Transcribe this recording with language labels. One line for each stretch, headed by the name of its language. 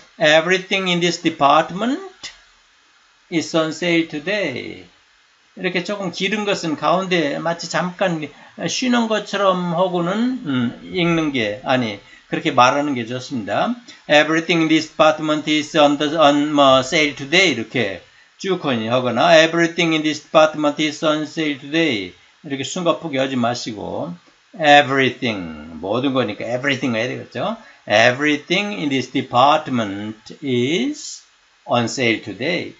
English: Everything in this department is on sale today.
Korean: 이렇게 조금 길은 것은 가운데 마치 잠깐 쉬는 것처럼 하고는 읽는 게 아니 그렇게 말하는 게 좋습니다.
English: Everything in this department is on sale today.
Korean: 이렇게 쭉 하거나
English: Everything in this department is on sale today.
Korean: 이렇게 숨가쁘게 하지 마시고 Everything 모든 거니까 Everything 해야 되겠죠.
English: Everything in this department is on sale today.